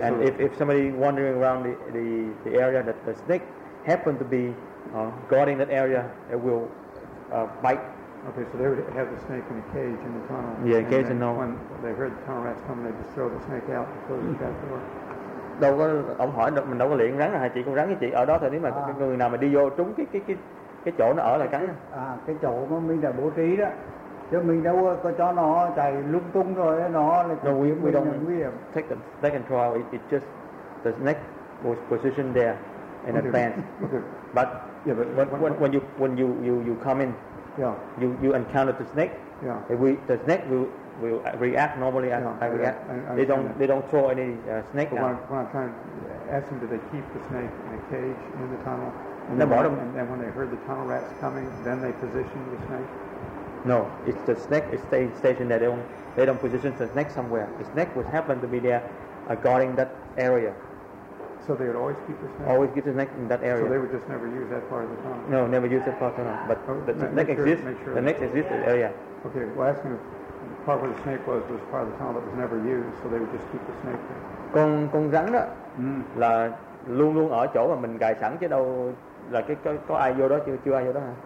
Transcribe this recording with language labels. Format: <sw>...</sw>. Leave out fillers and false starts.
<en>And so if somebody wandering around the area that the snake happened to be guarding that area, it will bite. Okay, so they would have the snake in a cage in the tunnel. Yeah, cage and no. When they heard the tunnel rats coming, they just throw the snake out and close the trap door.</en> <vi>Đâu có, ông hỏi mình đâu có liền rắn hay chị con rắn với chị ở đó thì nếu mà người nào mà đi vô trúng cái chỗ nó ở là cắn. À cái chỗ mà mình đã bố trí đó. Chứ mình đâu có cho nó chạy lung tung rồi nó là</vi> <en>no, we don't</en> <vi>nguy hiểm.</vi> <en>Take the snake and throw it, it just the snake was positioned there in advance. But when you come in, yeah. You encounter the snake. Yeah. The snake will react normally. React. They don't throw any snake. But when I'm trying to ask them, do they keep the snake in a cage in the tunnel? In the bottom. And then when they heard the tunnel rats coming, then they position the snake. No, it's the snake is stationed there. They don't position the snake somewhere. The snake would happen to be there, guarding that area. So they would always keep the snake. Always keep the snake in that area. So they would just never use that part of the tunnel. No, never use that part of the tunnel. But the snake exists. Okay, well, asking if part where the snake was part of the tunnel that was never used, so they would just keep the snake there.</en> <vi>Con rắn đó là luôn luôn ở chỗ mà mình gài sẵn chứ đâu là cái có ai vô đó chưa ai vô đó hả?</vi>